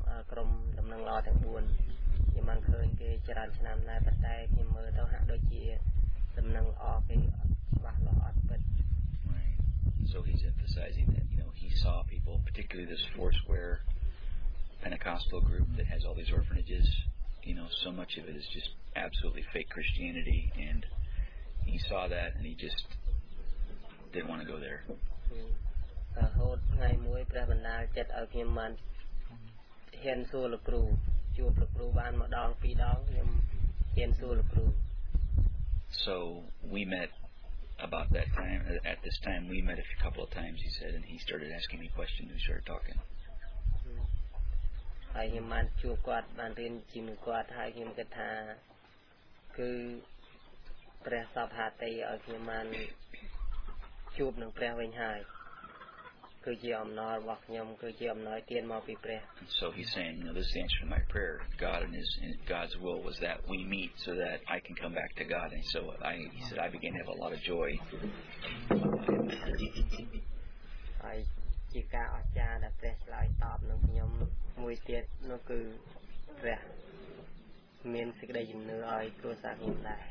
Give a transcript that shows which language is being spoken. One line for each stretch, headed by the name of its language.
Khmer: ក្រុមដំណឹងល្អទាំង4ខ្ញុំបានឃើញគេច្រើនឆ្នាំដែរប៉ុន្តែខ្ញុំមើលទៅហាក់ដូចជាដំណឹងល្អគេច្បាស់លាស់អត់ពិត
English: So he's emphasizing that you know he saw people particularly this Foursquare Pentecostal group that has all these orphanages you know so much of it is just absolutely fake Christianity and he saw that and he just didn't want to go there
Khmer: ហើយថ្ងៃមួយព្រះបណ្ដាលចិត្តឲ្យខ្ញុំបានហើយសួរលោកគ្រូជួបលោកគ្រូបានម្ដងពីរដងខ្ញុំហើយសួរលោកគ្រូ
English: So we met about that time at this time we met a couple of times he said and he started asking me questions and we started talking
Khmer: ហើយខ្ញុំបានជួបគាត់បានរៀនជាមួយគាត់ហើយខ្ញុំគិតថាគឺព្រះសព្ទាទីឲ្យខ្ញុំបានជួបនឹងព្រះវិញហើយ
English: And so he's saying, you know, this is the answer to my prayer. God and his, and God's will was that we meet so that I can come back to God. And so I, he said, I began to have a lot of joy.